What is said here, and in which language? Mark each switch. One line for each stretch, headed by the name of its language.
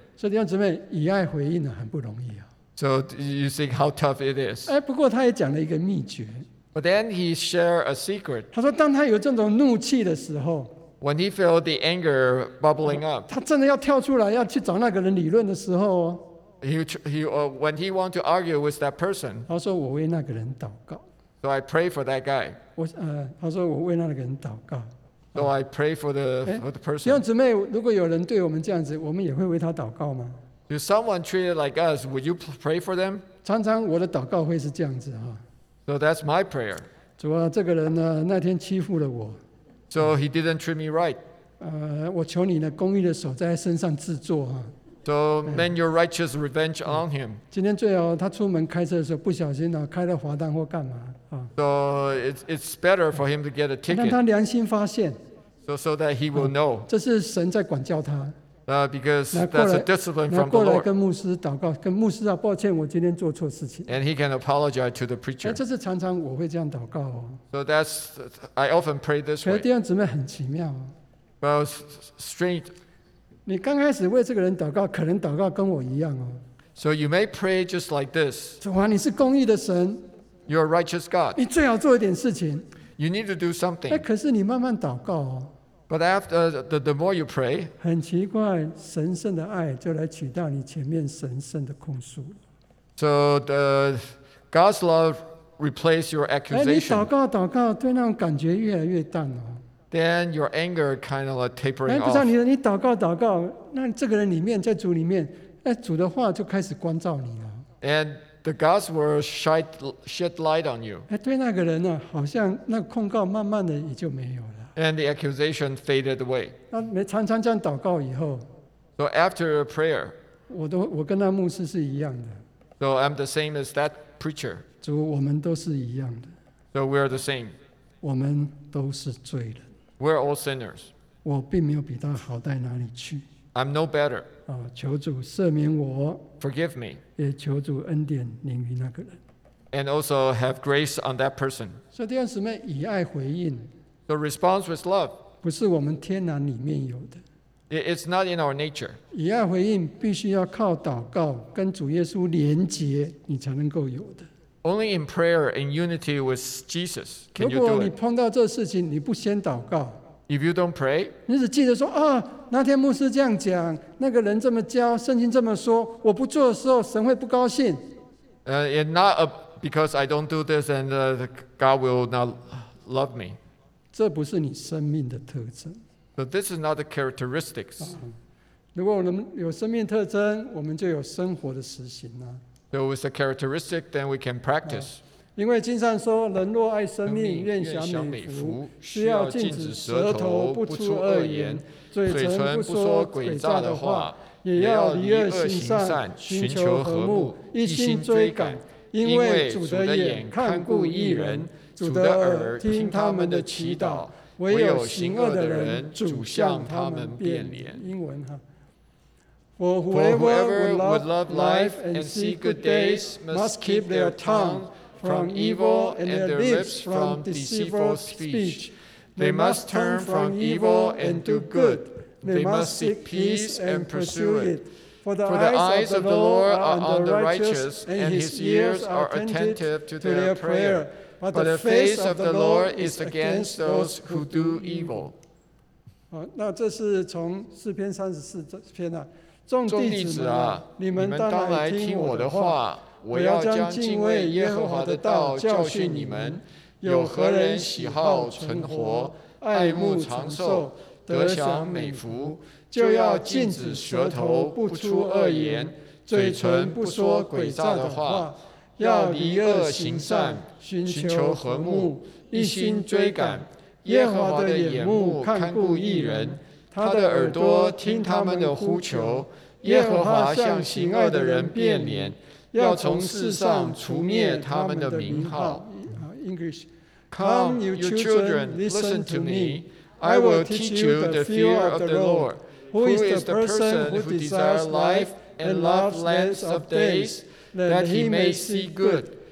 Chinese: 所以弟兄姊妹，以爱回应呢很不容易啊。
English: So you think how tough it is?
Chinese: 哎，不过他也讲了一个秘诀。
English: But then he shared a secret.
Chinese: 他说，当他有这种怒气的时候
English: ，When he felt the anger bubbling up,
Chinese: 他真的要跳出来要去找那个人理论的时候
English: when he want to argue with that person,
Chinese: 他说我为那个人祷告。
English: So I pray for that guy.
Chinese: 他说我为那个人祷告。
English: So I pray for the person.
Chinese: 弟兄姊妹，如果有人对我们这样子，我们也会为他祷告吗
English: ？If someone treated like us, would you pray for them?
Chinese: 常常我的祷告会是这样子
English: So that's my prayer.
Chinese: 主啊，这个人呢，那天欺负了我。
English: So he didn't treat me right.
Chinese: 我求你呢，公义的手在他身上制作啊。
English: So mend your righteous revenge on him.
Chinese: 今天最好他出门开车的时候不小心啊，开了罚单或干嘛啊。
English: So it's better for him to get a ticket.
Chinese: 让他良心发现。
English: So that he will know.
Chinese: 这是神在管教他。
English: Because that's a discipline from the Lord.
Chinese: 来过来跟牧师祷告，跟牧师啊，抱歉，我今天做错事情。
English: And he can apologize to the preacher.
Chinese: 这是常常我会这样祷告哦。
English: So that's I often pray this way.
Chinese: 可是弟兄姊妹很奇妙哦。
English: Well, strange.
Chinese: 你刚开始为这个人祷告，可能祷告跟我一样哦。
English: So you may pray just like this.
Chinese: 主啊，你是公义的神。
English: You're a righteous God.
Chinese: 你最好做一点事情。
English: You need to do something.
Chinese: 可是你慢慢祷告哦。
English: But after the more you pray,
Chinese: 很奇怪，神圣的爱就来取代你前面神圣的控诉。
English: So the God's love replaced your accusation.
Chinese: 你祷告祷告，对那种感觉越来越淡哦。
English: Then your anger kind of like tapering off.
Chinese: 不知道你祷告祷告，那这个人里面在主里面，主的话就开始光照你了。
English: And the God's word shed light on you.
Chinese: 对那个人呢，好像那控告慢慢的也就没有了。
English: And the accusation faded away.
Chinese: 常常这样祷告以后
English: So after a prayer,
Chinese: 我跟那牧师是一样的
English: So I'm the same as that preacher.
Chinese: 主，我们都是一样的
English: So we're the same.
Chinese: 我们都是罪人
English: We're all sinners.
Chinese: 我并没有比他好在哪里去
English: I'm no better.
Chinese: 求主赦免我
English: Forgive me.
Chinese: 也求主恩典怜悯那个人
English: and also have grace on that person.
Chinese: 所以弟兄姊妹以爱回应。
English: The response was love.
Chinese: 不是我们天然里面有的。
English: It's not in our nature.
Chinese: 以爱回应必须要靠祷告跟主耶稣连结，你才能够有的。
English: Only in prayer in unity with Jesus can you do it.
Chinese: 如果你碰到这事情，你不先祷告。
English: If you don't pray,
Chinese: 你只记得说啊，那天牧师这样讲，那个人这么教，圣经这么说，我不做的时候，神会不高兴。
English: And not because I don't do this, and God will not love me.
Chinese: 这不是你生命的特征。
English: But this is not the characteristics.
Chinese: 如果我们有生命特征，我们就有生活的实行了。
English: So with the characteristic, then we can practice.
Chinese: 因为经上说，人若爱生命，愿享美福，需要禁止舌头，不出恶言，嘴唇不说诡诈的话，也要离恶行善，寻求和睦，一心追赶。因为主的眼看顾义人，主的耳听他们的祈祷，唯有行恶的人，主向他们变脸。英文哈。
English: For whoever would love life and see good days must keep their tongue. From evil and their lips from deceitful speech. They must turn from evil and do good. They must seek peace and pursue it. For the eyes of the Lord are on the righteous, and his ears are attentive to their prayer. But the face of the Lord is against those who do evil.
Chinese: 那这是从诗篇三十四篇啊，众弟子啊，你们当来听我的话。我要将敬畏耶和华的道教训你们，有何人喜好存活、爱慕长寿、得享美福，就要禁止舌头不出恶言，嘴唇不说诡诈的话，要离恶行善，寻求和睦，一心追赶。耶和华的眼目看顾义人，他的耳朵听他们的呼求，耶和华向行恶的人变脸。要从世上除灭他们的名号。
English: English. Come, you children, listen to me. I will teach you the fear of the Lord. Who is the person who desires life and loves length of days, that he may see good?